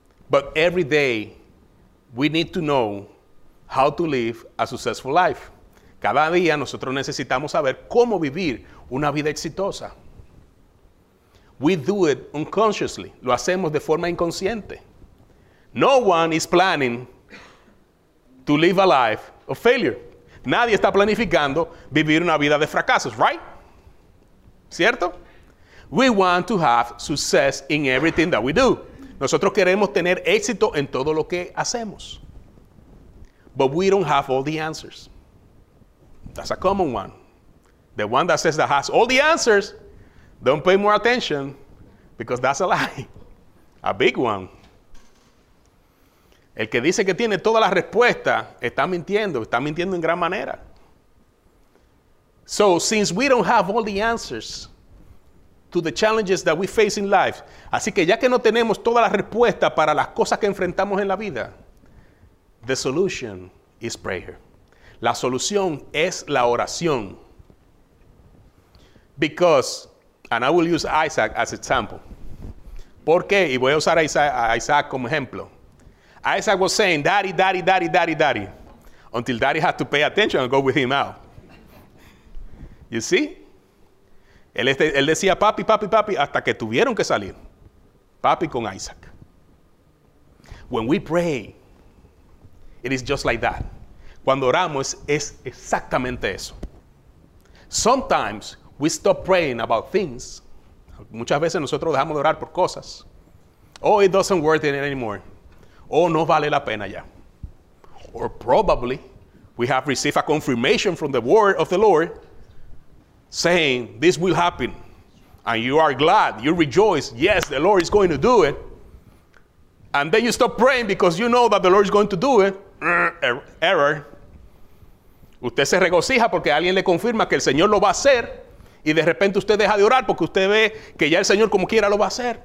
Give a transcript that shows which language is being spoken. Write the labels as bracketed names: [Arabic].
[English] But every day, we need to know how to live a successful life. [Spanish] Cada día nosotros necesitamos saber cómo vivir una vida exitosa. [English] We do it unconsciously. [Spanish] Lo hacemos de forma inconsciente. [English] No one is planning to live a life of failure. [Spanish] Nadie está planificando vivir una vida de fracasos, [English] right? [Spanish] ¿Cierto? [English] We want to have success in everything that we do. [Spanish] Nosotros queremos tener éxito en todo lo que hacemos. [English] But we don't have all the answers. That's a common one. The one that says that has all the answers, don't pay more attention, because that's a lie. A big one. [Spanish] El que dice que tiene todas las respuestas está mintiendo en gran manera. [English] So, since we don't have all the answers to the challenges that we face in life, [Spanish] así que ya que no tenemos todas las respuestas para las cosas que enfrentamos en la vida, [English] the solution is prayer. [Spanish] La solución es la oración. [English] Because, and I will use Isaac as example. [Spanish] ¿Por qué? Y voy a usar a Isaac como ejemplo. [English] Isaac was saying, "Daddy, daddy, daddy, daddy, daddy," until daddy had to pay attention and go with him out. You see? [Spanish] Él decía, papi, papi, papi, hasta que tuvieron que salir. Papi con Isaac. [English] When we pray, it is just like that. [Spanish] Cuando oramos, es exactamente eso. [English] Sometimes we stop praying about things, [Spanish] Muchas veces nosotros dejamos de orar por cosas. [English] Oh, it doesn't worth it anymore. [Spanish] Oh, no vale la pena ya. [English] Or probably we have received a confirmation from the word of the Lord saying this will happen. And you are glad, you rejoice. Yes, the Lord is going to do it. And then you stop praying because you know that the Lord is going to do it. Error. [Spanish] Usted se regocija porque alguien le confirma que el Señor lo va a hacer. Y de repente usted deja de orar porque usted ve que ya el Señor como quiera lo va a hacer.